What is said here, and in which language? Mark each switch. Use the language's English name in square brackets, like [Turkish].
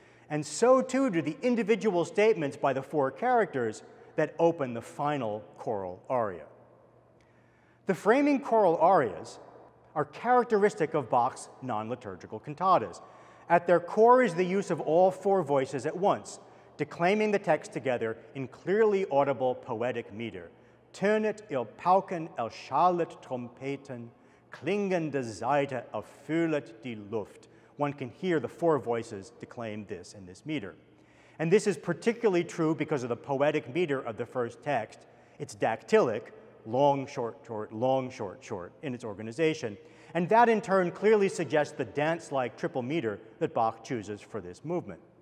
[English] And so too do the individual statements by the 4 characters that open the final choral aria. The framing choral arias are characteristic of Bach's non-liturgical cantatas. At their core is the use of all 4 voices at once, declaiming the text together in clearly audible poetic meter. [German] Tönet ihr Pauken, erschallet Trompeten, klingende Saite erfüllet die Luft. [English] One can hear the 4 voices declaim this in this meter. And this is particularly true because of the poetic meter of the first text. It's dactylic, long, short, short, long, short, short in its organization. And that in turn clearly suggests the dance-like triple meter that Bach chooses for this movement.